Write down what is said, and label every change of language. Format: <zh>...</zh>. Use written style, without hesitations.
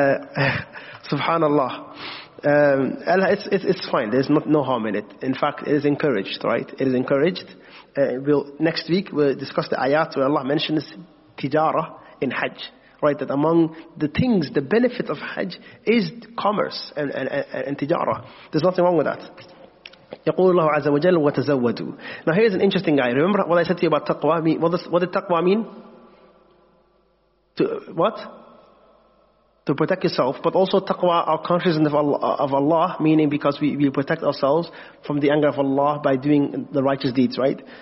<en>Subhanallah. It's fine. There's no harm in it. In fact, it is encouraged, right? It is encouraged. Next week, we'll discuss the ayat where Allah mentions tijara in Hajj. Right, that among the things, the benefits of Hajj is commerce and tijara. There's nothing wrong with that.</en> <ar>يقول الله عز وجل وتزودوا.</ar> <en>Now here's an interesting guy. Remember what I said to you about taqwa? What did taqwa mean? To protect yourself. But also taqwa, our consciousness of Allah, meaning because we protect ourselves from the anger of Allah by doing the righteous deeds, right?</en>